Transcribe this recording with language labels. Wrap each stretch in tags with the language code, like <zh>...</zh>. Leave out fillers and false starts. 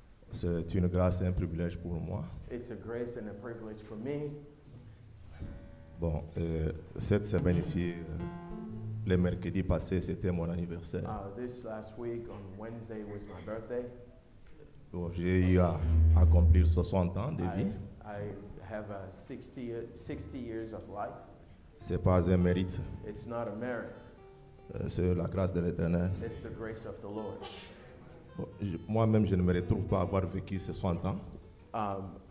<fr>C'est une grâce et un privilège pour moi.</fr> <en>It's a grace and a privilege for me.</en> <fr>Bon, cette semaine ici, le mercredi passé, c'était mon anniversaire.</fr> <en>This last week, on Wednesday, was my birthday.</en> <fr>Bon, j'ai eu à accomplir 60 ans de vie.</fr> <en>I have a 60 years of life.</en> <fr>C'est pas un mérite.</fr> <en>It's not a merit.</en> <fr>C'est la grâce de l'Éternel.</fr> <en>It's the grace of the Lord.</en> <fr>Moi-même, je ne me retrouve pas avoir vécu ces 60 ans.</fr>